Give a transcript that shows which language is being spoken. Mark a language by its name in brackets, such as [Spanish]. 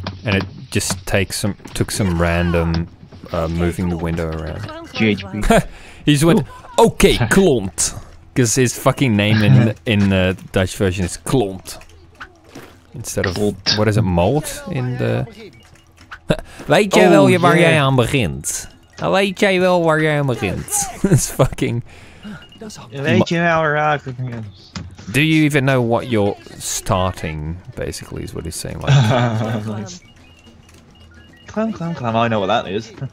[English] And it just took some random, moving the window around. GHB. He just went, okay, Klont. Because his fucking name in the Dutch version is Klont. Instead of, what is it, malt in the... [Dutch] Weet jij wel waar jij aan begint? Weet jij wel waar jij aan begint? [English] It's fucking... [Dutch] Weet jij wel waar jij aan begint? [English] Do you even know what you're starting, basically, is what he's saying. Like, clam, clam, clam, I know what that is.